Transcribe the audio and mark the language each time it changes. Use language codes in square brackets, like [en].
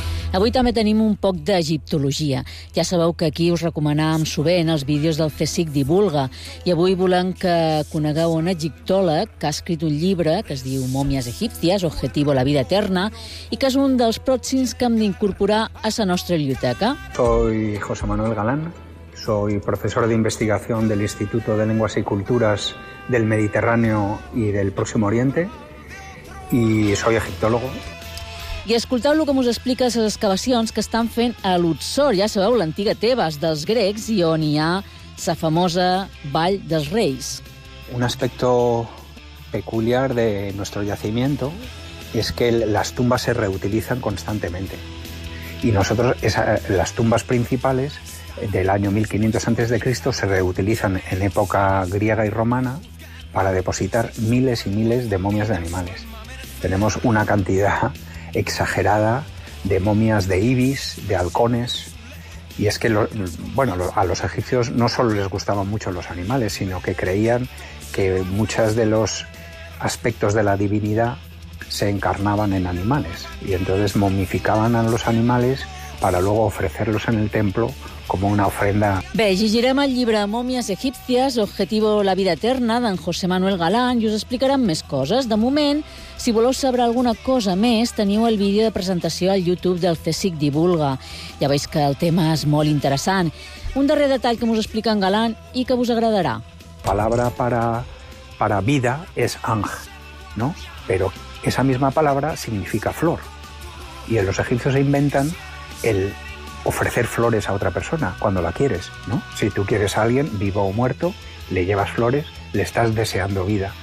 [ca] Avui també tenim un poc d'egiptologia. Ja sabeu que aquí us recomanàvem sovint els vídeos del CSIC Divulga, i avui volem que conegueu un egiptòleg que ha escrit un llibre que es diu Mòmies egípties, Objetivo la vida eterna, i que és un dels pròxims que hem d'incorporar a la nostra biblioteca. [es] Soy José Manuel Galán, soy profesor de investigación del Instituto de Lenguas y Culturas del Mediterráneo y del Próximo Oriente, y soy egiptólogo. [ca] I escoltau lo que us explica les excavacions que estan fent a Luxor, ja sabeu, l'antiga Tebes dels grecs, i on hi ha la famosa Vall dels Reis. [es] Un aspecto peculiar de nuestro yacimiento es que las tumbas se reutilizan constantemente. Y nosotros, las tumbas principales del año 1500 a.C. se reutilizan en época griega y romana para depositar miles y miles de momias de animales. Tenemos una cantidad exagerada de momias de ibis, de halcones. Y es que, a los egipcios no solo les gustaban mucho los animales, sino que creían que muchos de los aspectos de la divinidad se encarnaban en animales. Y entonces momificaban a los animales para luego ofrecerlos en el templo como una ofrenda. [ca] Bé, llegirem el llibre Mòmies egípcies, Objetivo la vida eterna, d'en José Manuel Galán, i us explicaran més coses. De moment, si voleu saber alguna cosa més, teniu el vídeo de presentació al YouTube del CSIC Divulga. Ja veus que el tema és molt interessant. Un darrer detall que us explica en Galán i que vos agradarà. [es] La palabra para vida es ang, ¿no? Pero esa misma palabra significa flor. Y los egipcios inventan el ofrecer flores a otra persona cuando la quieres, ¿no? Si tú quieres a alguien, vivo o muerto, le llevas flores, le estás deseando vida.